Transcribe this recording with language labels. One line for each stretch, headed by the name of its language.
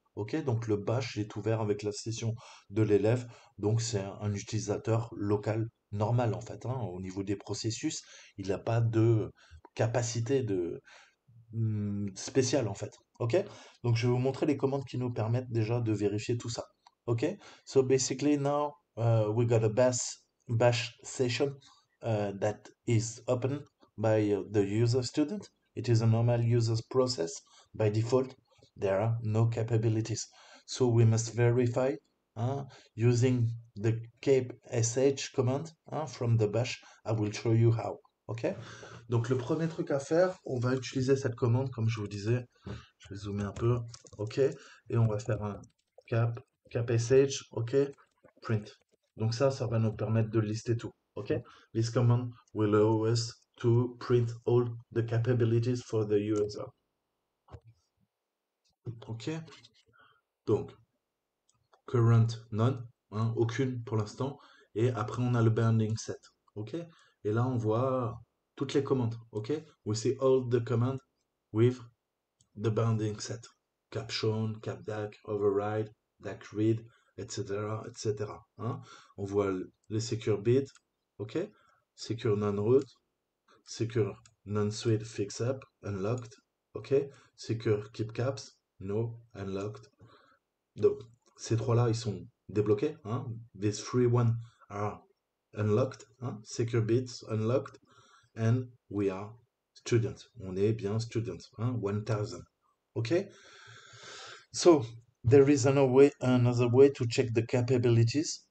French: Ok, donc le bash est ouvert avec la session de l'élève, donc c'est un utilisateur local normal en fait, hein, au niveau des processus, il n'a pas de capacité de spécial en fait. Ok, donc je vais vous montrer les commandes qui nous permettent déjà de vérifier tout ça.
English: Ok, so basically now we got a bash session that is open by the user student. It is a normal user's process. By default, there are no capabilities. So we must verify Using the kpsh command from the bash, I will show you how. Okay?
French: Donc le premier truc à faire, on va utiliser cette commande comme je vous disais. Je vais zoomer un peu. Ok? Et on va faire un kpsh, ok? Print. Donc ça va nous permettre de lister tout. Ok?
English: This command will allow us to print all the capabilities for the user.
French: Ok? Donc current none, aucune pour l'instant. Et après on a le binding set. Ok? Et là on voit toutes les commandes. Ok?
English: We see all the commands with the binding set. Capshown, capdac, override, dacread, etc. etc.
French: On voit les secure bit. Ok? Secure none root.
English: Secure none suite fix up, unlocked. Ok? Secure keep caps, no, unlocked.
French: Donc, ces trois-là, ils sont débloqués.
English: These three ones are unlocked. Secure bits unlocked. And we are student.
French: On est bien student.
English: 1000. OK? So, there is another way to check the capabilities.